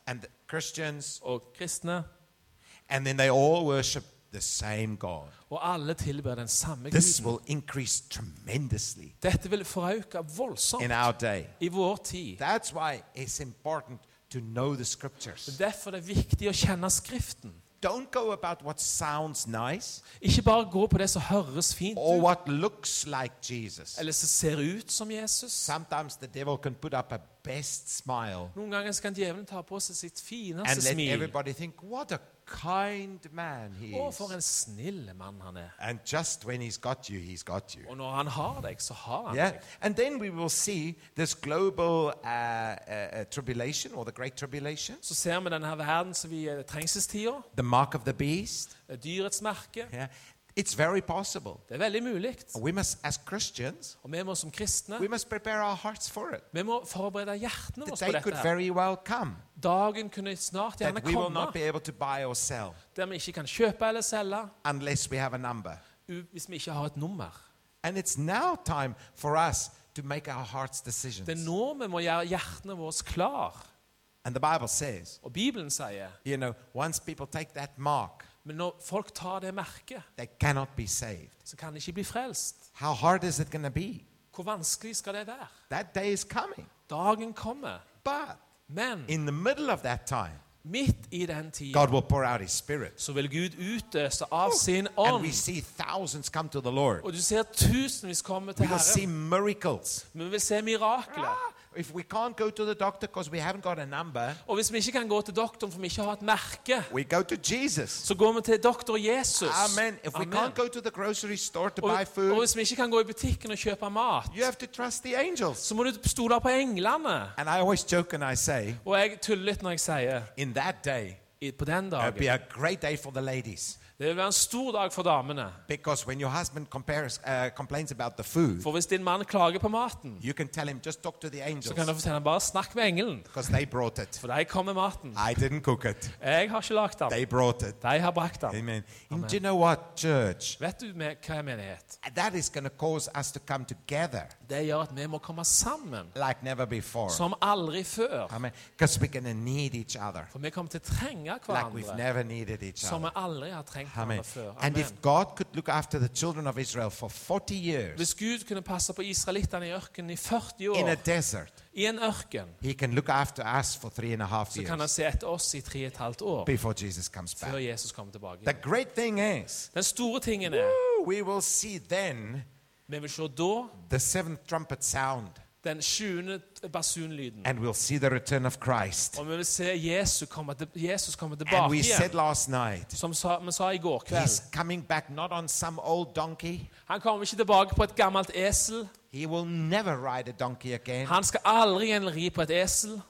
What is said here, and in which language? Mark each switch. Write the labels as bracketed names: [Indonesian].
[English] And Christians. [Norwegian] Og kristne. [English] And then they all worship the same God. [Norwegian] Og alle tilber den samme Gud. [English] This will increase tremendously. [Norwegian] Dette vil forauke voldsomt. [English] In our day. [Norwegian] I vår tid. [English] That's why it's important to know the scriptures. [Norwegian] Derfor det viktig å kjenne skriften. [English] Don't go about what sounds nice. [Norwegian] Ikke bare gå på det som høres fint ut. [English] Or what looks like Jesus. [Norwegian] Eller så ser ut som Jesus. [English] Sometimes the devil can put up a best smile. [Norwegian] Noen ganger kan djevelen ta på seg sitt fineste smil. [English] And let everybody think, what a kind man he is. [Norwegian] Å, for en snill mann han [English] And just when he's got you, he's got you. [Norwegian] Og når han har deg, så har han [English] deg. And then we will see this global tribulation, or the great tribulation. [Norwegian] Så ser vi denne verden som vi trengselstider. [English] The mark of the beast. [Norwegian] Dyrets merke. [English] Yeah. It's very possible. [Norwegian] Det veldig muligt. [English] We must, as Christians, [Norwegian] og vi må som kristne, [English] we must prepare our hearts for it. [Norwegian] Vi må forberede hjertene våre på dette. [English] Could very well come. [Norwegian] Dagen kunne snart gjerne [English] komme. We will not be able to buy or sell. [Norwegian] Der vi ikke kan kjøpe eller selge. [English] Unless we have a number. [Norwegian] Hvis vi ikke har et nummer. [English] And it's now time for us to make our hearts decisions. [Norwegian] Det nå vi må gjøre hjertene våre klar. [English] And the Bible says. [Norwegian] Og Bibelen sier. [English] You know, once people take that mark. [Norwegian] Men når folk tar det merke, [English] they cannot be saved. [Norwegian] Så kan de ikke bli frelst. [English] How hard is it going to be? [Norwegian] Hvor vanskelig skal det være? [English] That day is coming. [Norwegian] Dagen kommer. [English] But [Norwegian] men [English] in the middle of that time, [Norwegian] midt I den tiden, [English] God will pour out His Spirit. [Norwegian] Så vil Gud utøse av sin ånd. [English] And we see thousands come to the Lord. [Norwegian] Og du ser tusenvis komme til Herren. [English] We will see miracles. [Norwegian] Men vi vil se mirakler. [English] If we can't go to the doctor because we haven't got a number, [Norwegian] og hvis vi ikke kan gå til doktoren for vi ikke har et merke, [English] we go to Jesus. [Norwegian] Så går vi til doktor Jesus. [English] Amen. If we can't go to the grocery store to buy food, [Norwegian] og hvis vi ikke kan gå I butikken og kjøpe mat, [English] you have to trust the angels. [Norwegian] Så må du stole på englene. [English] And I always joke and I say, [Norwegian] og jeg tuller litt når jeg sier, [English] in that day, [Norwegian] på den dagen, [English] it'll be a great day for the ladies. [Norwegian] Det vil være en stor dag for damene. [English] Because when your husband complains about the food, [Norwegian] for hvis din mann klager på maten, [English] you can tell him just talk to the angels. [Norwegian] Så kan du fortelle ham bare snakk med engelen. [English] Because they brought it. [Norwegian] For deg kom med maten. [English] I didn't cook it. [Norwegian] Jeg har ikke lagt den. [English] They brought it. [Norwegian] De har brakt den. [English] Amen. And do you know what, church? [Norwegian] Vet du hva jeg mener? [English] That is going to cause us to come together. [Norwegian] Det gjør at vi må komme sammen. [English] Like never before. [Norwegian] Som aldri før. [English] Amen. Because we're going to need each other. [Norwegian] For vi kommer til å trenge hverandre. [English] Like we've never needed each other. [Norwegian] Som vi aldri har trengt. Amen. Amen. [English] And if God could look after the children of Israel for 40 years, [Norwegian] hvis Gud kunne passe på israeliterne I ørken I 40 år, [English] in a desert, [Norwegian] I en ørken, [English] He can look after us for 3.5 years. [Norwegian] Så kan han se etter oss I 3.5 år, [English] before Jesus comes back. [Norwegian] Før Jesus kommer tilbake. [English] The great thing is, [Norwegian] den store tingen [English] we will see then, [Norwegian] men vi ser då, [English] the seventh trumpet sound, [Norwegian] den sjuende basunlyden, [English] and we'll see the return of Christ. [Norwegian] Og vi vil se Jesus kommer tilbake. [English] And we said last night, [Norwegian] som vi sa I går kveld, [English] he's coming back not on some old donkey. [Norwegian] Han kommer ikke tilbake på et gammelt esel. [English] He will never ride a donkey again. [Norwegian] Han skal aldri igjen ri på et esel.